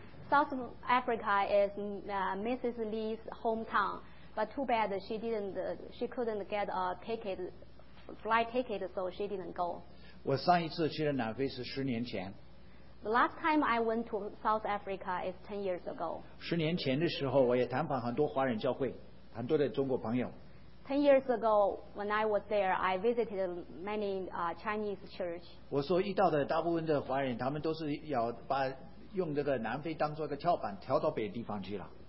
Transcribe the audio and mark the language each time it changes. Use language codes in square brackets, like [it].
[en] South Africa is Mrs. Lee's hometown, but too bad she couldn't get a ticket, flight ticket, so she didn't go. [zh] 我上一次去了南非是十年前。 [en] The last time I went to South Africa is 10 years ago. [zh] 十年前的时候，我也探访很多华人教会，很多的中国朋友。 [en] 10 years ago, when I was there, I visited many Chinese church. [zh] 我所遇到的大部分的华人，他们都是要把用这个南非当作一个跳板跳到别的地方去了。